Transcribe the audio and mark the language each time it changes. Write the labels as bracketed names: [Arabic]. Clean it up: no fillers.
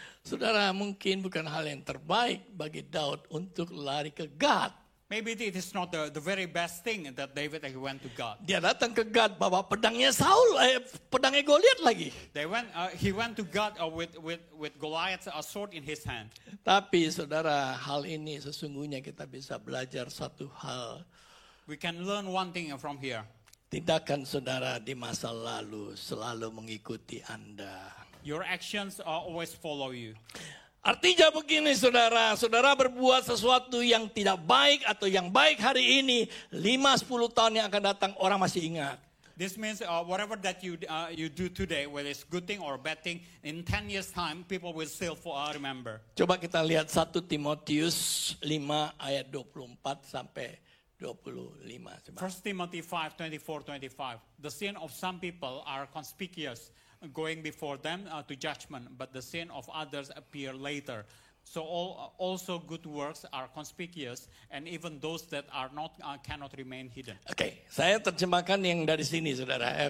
[Indonesian] Saudara, mungkin bukan hal yang terbaik bagi Daud untuk lari ke Gat. [English] Maybe it is not the very best thing that David actually went to God. [Indonesian] Dia datang ke God bawa pedangnya Saul, pedangnya Goliath lagi. [English] He went to God with Goliath's sword in his hand. [Indonesian] Tapi saudara, hal ini sesungguhnya kita bisa belajar satu hal. [English] We can learn one thing from here. [Indonesian] Tindakan saudara di masa lalu selalu mengikuti Anda. [English] Your actions always follow you. [Indonesian] Artinya begini, saudara. Saudara berbuat sesuatu yang tidak baik atau yang baik hari ini, 5-10 tahun yang akan datang orang masih ingat. [English] This means whatever that you do today, whether it's good thing or bad thing, in 10 years time people will still remember. [Indonesian] Coba kita lihat 1 Timotius 5 ayat 24 sampai 25. [English] 1 Timothy 5:24-25. The sin of some people are conspicuous, going before them to judgment, but the sin of others appear later. So also good works are conspicuous, and even those that are not cannot remain hidden. [Indonesian] Okay, saya terjemahkan yang dari sini, saudara.